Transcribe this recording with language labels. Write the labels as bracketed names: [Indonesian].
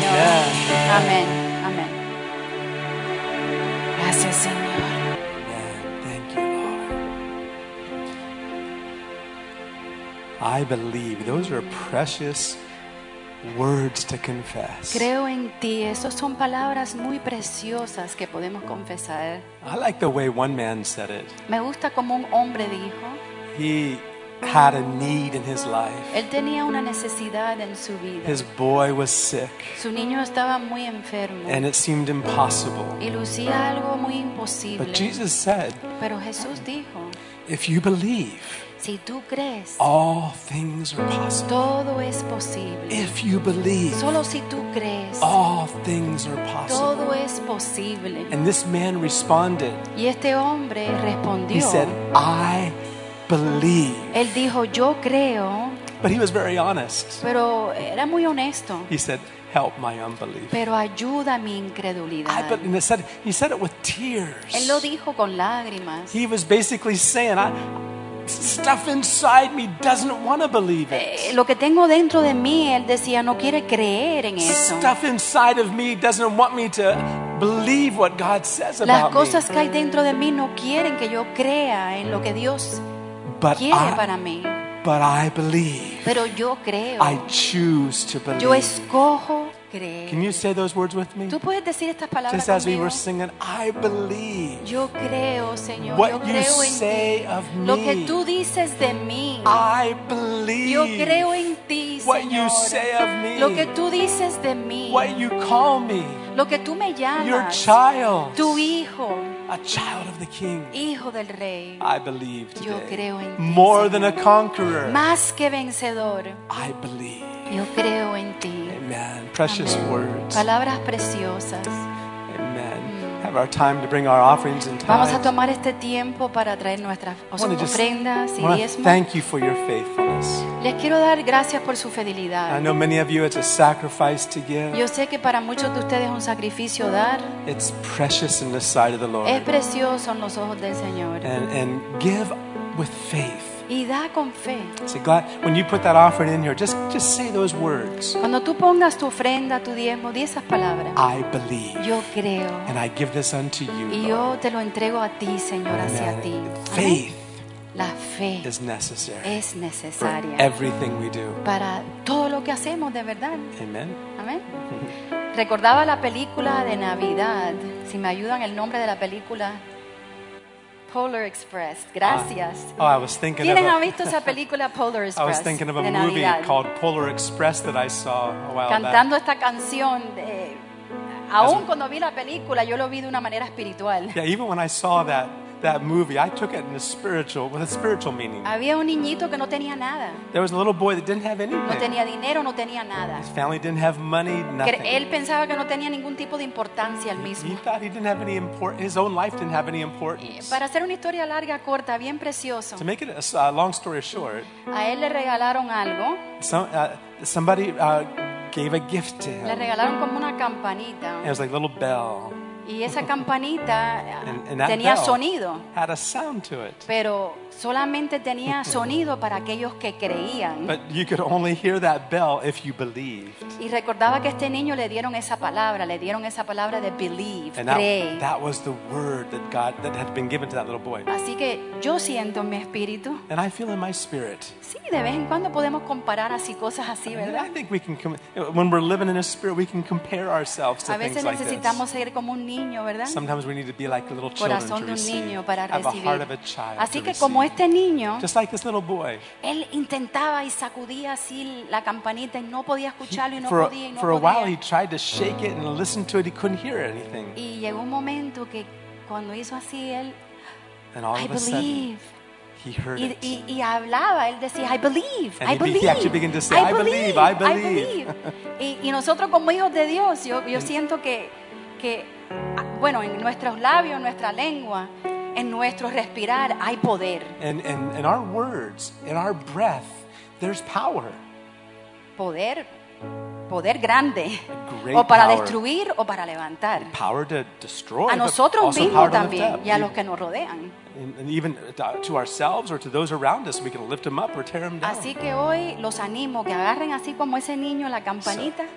[English] Yes. [Spanish] Amén. Amén. Gracias, Señor. [English] Thank you, Lord. I believe those are precious words to confess. [Spanish] Creo en ti. Esas son palabras muy preciosas que podemos confesar. [English] I like the way one man said it. [Spanish] Me gusta como un hombre dijo. [English] He had a need in his life. [Spanish] Él tenía una necesidad en su vida. [English] His boy was sick. [Spanish] Su niño estaba muy enfermo. [English] And it seemed impossible. [Spanish] Y lucía algo muy imposible. [English] But Jesus said, [Spanish] pero Jesús dijo, [English] if you believe, [Spanish] si tú crees, [English] all things are possible. [Spanish] Todo es posible. [English] If you believe, [Spanish] solo si tú crees, [English] all things are possible. [Spanish] Todo es posible. [English] And this man responded. [Spanish] Y este hombre respondió. [English] He said, I believe. [Spanish] Él dijo, yo creo. [English] But he was very honest. [Spanish] Pero era muy honesto. [English] He said, "Help my unbelief." [Spanish] Pero ayuda mi incredulidad. [English] He said it with tears. [Spanish] Él lo dijo con lágrimas. [English] He was basically saying, stuff inside me doesn't want to believe it. [Spanish] Lo que tengo dentro de mí, él decía, no quiere creer en eso. [English] Stuff inside of me doesn't want me to believe what God says about me. [Spanish] Las cosas que hay dentro de mí no quieren que yo crea en lo que Dios quiere para mí. [English] But I believe. [Spanish] Pero yo creo. [English] I choose to believe. [Spanish] Yo escojo creer. [English] Can you say those words with me? [Spanish] ¿Tú puedes decir estas palabras [English] Just [Spanish] conmigo? [English] As we were singing, I believe. [Spanish] Yo creo, Señor. [English] What [Spanish] yo creo [English] you [Spanish] en [English] say [Spanish] ti. [English] Of me. [Spanish] Lo que tú dices de mí. [English] I believe. [Spanish] Yo creo en ti, Señor. [English] What you say of me. [Spanish] Lo que tú dices de mí. [English] What you call me. [Spanish] Lo que tú me llamas. [English] Your child. [Spanish] Tu hijo. [English] A child of the King. [Spanish] Hijo del Rey. [English] I believe today. [Spanish] Yo creo en ti, [English] More Than a conqueror. [Spanish] Más que vencedor. [English] I believe. [Spanish] Yo creo en ti. [English] Amen. Precious Amen. Words. [Spanish] Palabras preciosas. [English] Amen. Have our time to bring our offerings and tithes. [Spanish] Vamos a tomar este tiempo para traer nuestras ofrendas y diezmos. [English] Thank you for your faithfulness. [Spanish] Les quiero dar gracias por su fidelidad. [English] I know many of you it's a sacrifice to give. [Spanish] Yo sé que para muchos de ustedes es un sacrificio dar. [English] It's precious in the sight of the Lord. [Spanish] Es precioso en los ojos del Señor. [English] And give with faith. [Spanish] Y da con fe. [English] See, God, when you put that offering in here, just say those words. [Spanish] Cuando tú pongas tu ofrenda, tu diezmo, di esas palabras. [English] I believe. [Spanish] Yo creo. [English] And I give this unto you. [Spanish] Y yo te lo entrego a ti, Señor, [English] Amen. [Spanish] Hacia ti. [English] Faith. [Spanish] La fe. [English] Is necessary. [Spanish] Es necesaria. [English] For everything we do. [Spanish] Para todo lo que hacemos, de verdad. [English] Amen. Amen. [Spanish] Recordaba la película de Navidad. Si me ayudan el nombre de la película. Polar Express. Gracias. [English] Oh, I was thinking of. [Spanish] ¿Quién ha visto esa película Polar Express? [English] I was thinking of a movie called Polar Express that I saw a while back. [Spanish] Cantando esta canción de, aun cuando vi la película, yo lo vi de una manera espiritual. [English] Yeah, even when I saw that movie, I took it in a spiritual with a spiritual meaning. [Spanish] Había un niñito que no tenía nada. [English] There was a little boy that didn't have anything. [Spanish] No tenía dinero, no tenía nada. [English] His family didn't have money, nothing. [Spanish] Él pensaba que no tenía ningún tipo de importancia al mismo. [English] He thought he didn't have any importance. His own life didn't have any importance. [Spanish] Para hacer una historia larga corta, bien precioso. [English] To make it a long story short. [Spanish] A él le regalaron algo. [English] Somebody gave a gift to him. [Spanish] Le regalaron como una campanita. [English] It was like a little bell. [Spanish] Y esa campanita [English] and [Spanish] tenía sonido. [English] Had a sound to it. [Spanish] Pero solamente tenía sonido para aquellos que creían. [English] But you could only hear that bell if you believed. [Spanish] Y recordaba que este niño le dieron esa palabra de believe, [English] and [Spanish] cree. [English] That was the word that God that had been given to that little boy. [Spanish] Así que yo siento en mi espíritu. [English] And I feel in my spirit. [Spanish] Sí, de vez en cuando podemos comparar así cosas así, ¿verdad? [English] I think we can when we're living in a spirit, we can compare ourselves to things like this. [Spanish] A veces necesitamos ser como un niño, ¿verdad? [English] Sometimes we need to be like little children [Spanish] Corazón de un niño para recibir. [English] Have a heart of a child. [Spanish] Así que como este niño, [English] just like this little boy, [Spanish] él intentaba y sacudía así la campanita y no podía escucharlo y no [English] for, [Spanish] podía y no [English] for [Spanish] podía. [English] A while he tried to shake it and listen to it, he couldn't hear anything. [Spanish] Y llegó un momento que cuando hizo así él, [English] and all I of believe. A sudden, he heard it. [Spanish] Y hablaba, él decía, [English] I believe, and I believe. He actually began to say, I believe, I believe. [Spanish] Y nosotros como hijos de Dios, yo siento que bueno, en nuestros labios, en nuestra lengua, en nuestro respirar hay poder. [English] In our words, in our breath, there's power. [Spanish] Poder, poder grande. [English] Great [Spanish] o para [English] power. [Spanish] Destruir o para levantar. [English] Power to destroy. [Spanish] A nosotros mismos también y a los que nos rodean. [English] And even to ourselves or to those around us, we can lift them up or tear them down. [Spanish] Así que hoy los animo que agarren así como ese niño la campanita.